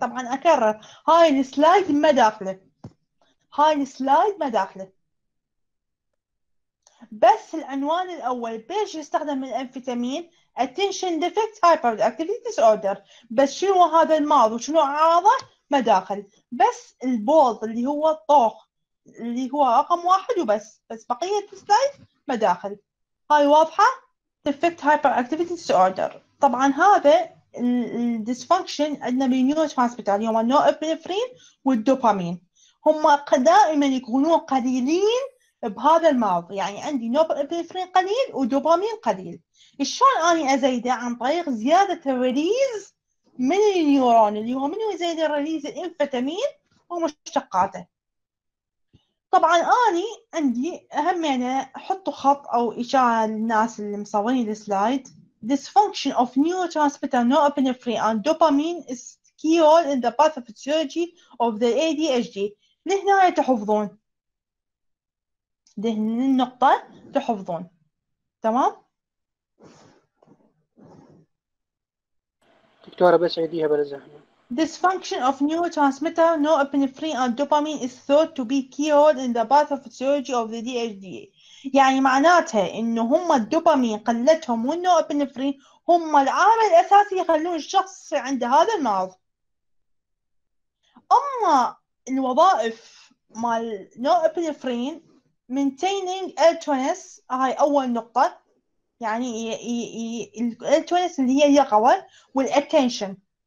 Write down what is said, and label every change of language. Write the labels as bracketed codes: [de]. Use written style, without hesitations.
[ar] طبعا اكرر هاي السلايد ما داخله، هاي السلايد ما داخله، بس العنوان الاول بيش يستخدم الامفيتامين، Attention Deficit Hyperactivity Disorder، بس شنو هذا المرض وشنو أعراضه ما داخل، بس البولد اللي هو الطوخ اللي هو رقم واحد وبس، بس بقية السلايد ما داخل. هاي واضحة Deficit Hyperactivity Disorder. طبعا هذا ال dysfunction عندنا بالنيوروترانسميتر اللي هم النورابينفرين والدوبامين، هم دائما يكونون قليلين بهذا المرض، يعني عندي نورابينفرين قليل ودوبامين قليل. شلون اني ازيده؟ عن طريق زياده الريليز من النيورون، اللي هو منو يزيد الريليز؟ الامفيتامين ومشتقاته. طبعا اني عندي اهم يعني حطوا خط او اشاعه للناس اللي مصورين السلايد. [en] This function of neurotransmitter norepinephrine and dopamine is key role in the pathophysiology of the ADHD. [ar] لهنا تحفظون. لهنا النقطة تحفظون. تمام؟ دكتورة بس عيديها بلا زحمة. [en] This function of neurotransmitter norepinephrine and dopamine is thought to be key role in the pathophysiology of the ADHD. [ar] يعني معناتها انه هم الدوبامين قلتهم والنورابينفرين هم العامل الاساسي يخلون الشخص عنده هذا المرض. اما الوظائف مال النورابينفرين [en] maintaining alertness، [ar] هاي اول نقطه، يعني الالتونس اللي هي اليقظه والاتنشن.